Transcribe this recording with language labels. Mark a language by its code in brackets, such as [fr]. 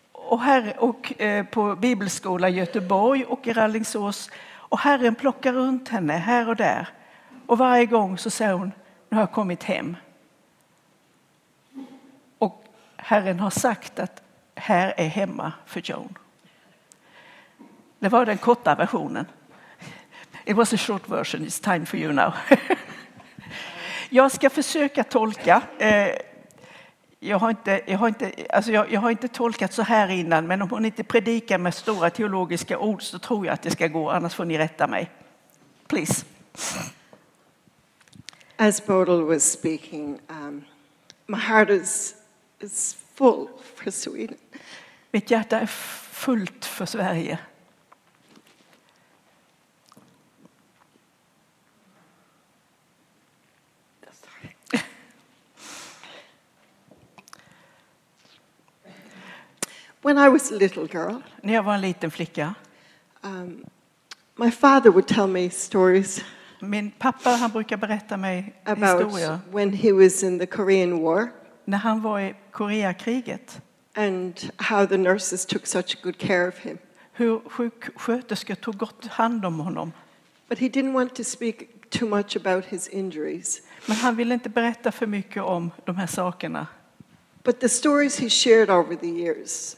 [sv] och här och på bibelskola i Göteborg och i Rallingsås. Och Herren plockar runt henne här och där. Och varje gång så säger hon, nu har jag kommit hem. Och Herren har sagt att här är hemma för Joan. Det var den korta versionen. [en] It was a short version, it's time for you now. [sv] Jag ska försöka tolka. Jag har inte tolkat så här innan, men om hon inte predikar med stora teologiska ord så tror jag att det ska gå, annars får ni rätta mig. [en] Please. As Bodil was speaking, my heart is full for Sweden. [sv] Mitt hjärta är fullt för Sverige. [en] When I was a little girl, [sv] när jag var en liten flicka, [en] my father would tell me stories. [sv] Min pappa, han brukar berätta mig [en] about [sv] historier. [en] About when he was in the Korean War. [sv] När han var i Koreakriget. [en] And how the nurses took such good care of him. [sv] Hur sjuksköterskor tog gott hand om honom. [en] But he didn't want to speak too much about his injuries. [sv] Men han ville inte berätta för mycket om de här sakerna. [en] But the stories he shared over the years.